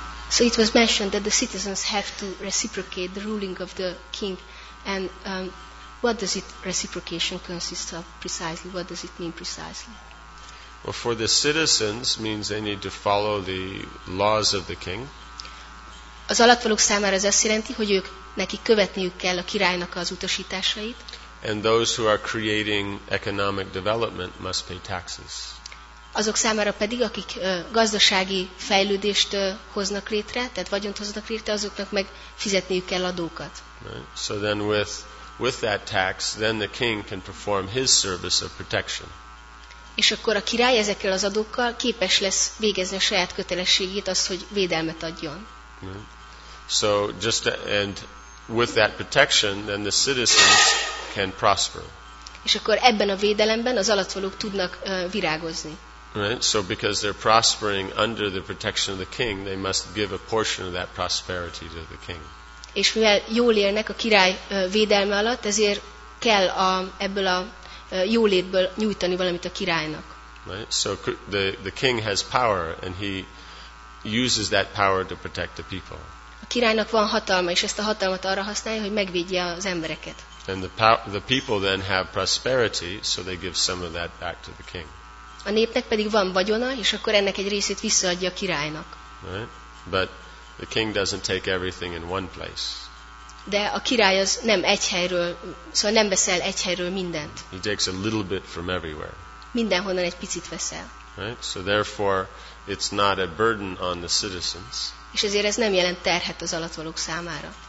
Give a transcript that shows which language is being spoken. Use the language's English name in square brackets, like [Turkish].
[English] So it was mentioned that the citizens have to reciprocate the ruling of the king, and what does it reciprocation consist of precisely? What does it mean precisely? Well, for the citizens means they need to follow the laws of the king. [Hungarian] Az alattvalók számára ez azt jelenti, hogy ők neki követniük kell a királynak az utasításait. [English] And those who are creating economic development must pay taxes. [Hungarian] Azok számára pedig, akik gazdasági fejlődést hoznak létre, tehát vagyont hoznak létre, azoknak meg fizetniük kell adókat. [English] Right. So then with that tax, then the king can perform his service of protection. [Hungarian] És akkor a király ezekkel az adókkal képes lesz végezni a saját kötelességét, azt, hogy védelmet adjon. [English] Right. So just and with that protection, then the citizens can prosper. [Hungarian] És akkor ebben a védelemben az alattvalók tudnak virágozni. [English] Right, so because they're prospering under the protection of the king, they must give a portion of that prosperity to the king. [Hungarian] És mivel jól élnek a király védelme alatt, ezért kell ebből a jólétből nyújtani valamit a királynak. [English] Right, so the king has power, and he uses that power to protect the people. [Hungarian] A királynak van hatalma, és ezt a hatalmat arra használja, hogy megvédje az embereket. [English] And the people then have prosperity, so they give some of that back to the king. [Hungarian] A népnek pedig van vagyona, és akkor ennek egy részét visszaadja a királynak. [English] Right? But the king doesn't take everything in one place. [Hungarian] De a király az nem egy helyről, szóval nem veszel egy helyről mindent. [English] He takes a little bit from everywhere. [Hungarian] Mindenhonnan egy picit veszel. [English] Right? So therefore it's not a burden on the citizens. [Hungarian] És ezért ez nem jelent terhet az alattvalók számára.